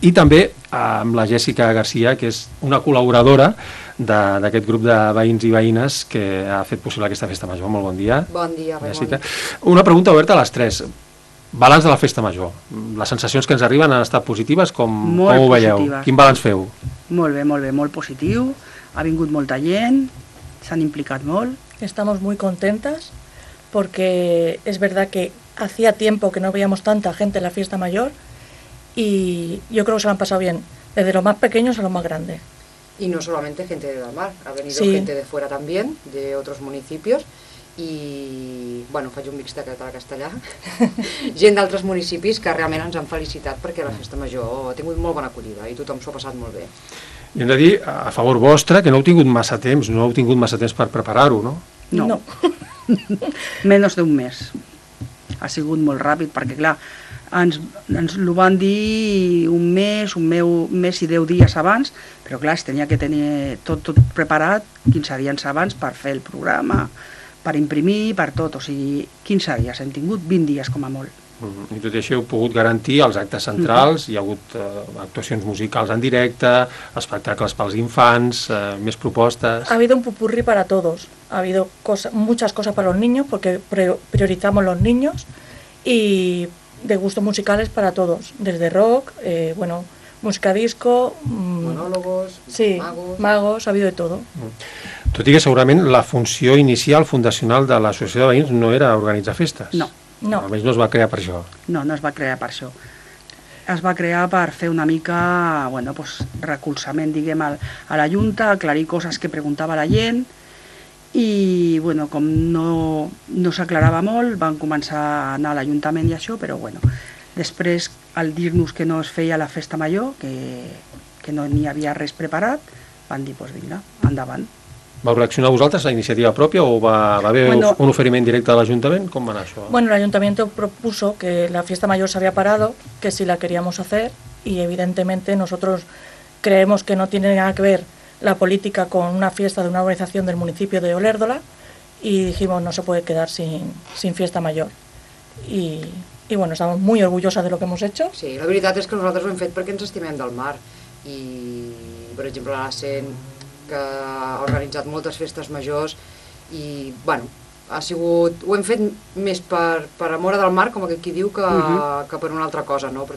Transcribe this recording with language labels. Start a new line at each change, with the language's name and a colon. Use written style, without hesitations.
Catalan: I també amb la Jèssica García, que és una col·laboradora d'aquest grup de veïns i veïnes que ha fet possible aquesta festa major. Molt bon dia. Bon dia, Ramon. Jèssica. Una pregunta oberta a les tres. Balanç de la festa major. Les sensacions que ens arriben han estat positives? Com ho veieu? Positives. Quin balanç feu? Molt bé, molt bé, molt positiu. Ha vingut molta gent, s'han implicat molt.
Spanish: Estamos muy contentas porque es verdad que hacía tiempo que no veíamos tanta gente en la fiesta mayor y yo creo que se lo han pasado bien, desde los más pequeños a los más grandes. Y no solamente gente de Dalmar, ha venido sí. Gente de fuera también, de otros municipios, y bueno,
Catalan: faig un mix de català-castellà, gent d'altres municipis que realment ens han felicitat perquè la festa major ha tingut molt bona acollida i tothom s'ho ha passat molt bé. I hem de dir, a favor vostre, que no heu tingut massa temps, no heu tingut massa temps per preparar-ho, no? No. Menos d'un mes. Ha sigut molt ràpid perquè, clar, ens ho van dir un mes i 10 dies abans, però clar, es tenia que tenir tot preparat 15 dies abans per fer el programa, per imprimir, per tot, o sigui, 15 dies, hem tingut 20 dies com a molt. I tot i això heu pogut garantir els actes centrals, hi ha hagut actuacions musicals en directe, espectacles pels infants, més propostes...
Spanish: Ha habido un pupurri para todos, ha habido muchas cosas para los niños, porque priorizamos los niños, y... de gustos musicales para todos, desde rock, bueno, música disco, monólogos, sí, magos, ha habido de todo.
Catalan: Tot i que segurament la funció inicial fundacional de l'Associació de Veïns no era organitzar festes. No. Almenys no es va crear per això. No es va crear per això. Es va crear per fer una mica, bueno, pues, recolzament, diguem, a la Junta, aclarir coses que preguntava la gent, i bueno, com no s'aclarava molt, van començar a anar a l'Ajuntament i això, però bueno, després al dir-nos que no es feia la festa major, que no n'hi havia res preparat, van dir, pues vinga, endavant. Vau reaccionar vosaltres a iniciativa pròpia o va haver bueno, un oferiment directe de l'Ajuntament? Com va anar això?
Spanish: Bueno, l'Ajuntament propuso que la festa major s'havia parado, que si la queríamos hacer, y evidentemente nosotros creemos que no tiene nada que ver la política con una fiesta de una organización del municipio de Olérdola, y dijimos, no se puede quedar sin fiesta mayor. Y bueno, estamos muy orgullosas de lo que hemos hecho.
Catalan: Sí, la veritat és que nosaltres ho hem fet perquè ens estimem del mar. I, per exemple, la Sen, que ha organitzat moltes festes majors, i, bueno, ha sigut, ho hem fet més per amor del mar, com aquí diu, que per una altra cosa, no?